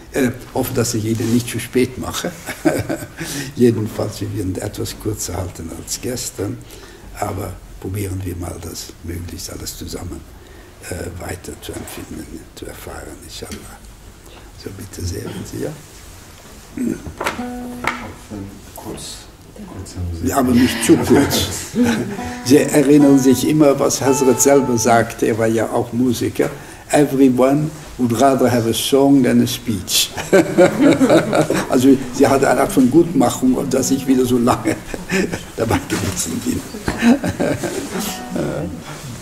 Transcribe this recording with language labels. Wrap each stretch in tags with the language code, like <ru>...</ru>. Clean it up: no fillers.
<de>Ich hoffe, dass ich Ihnen nicht zu spät mache. Jedenfalls, wir werden etwas kürzer halten als gestern, aber probieren wir mal das möglichst alles zusammen weiter zu empfinden, zu erfahren, inshallah. So, bitte sehr, wenn Sie ja. Ja, aber nicht zu kurz. Sie erinnern sich immer, was Hazrat selber sagte, er war ja auch Musiker.</de> <en>Everyone would rather have a song than a speech.</en> <de>Also, sie hatte eine Art von Gutmachung, dass ich wieder so lange dabei gewesen bin.</de>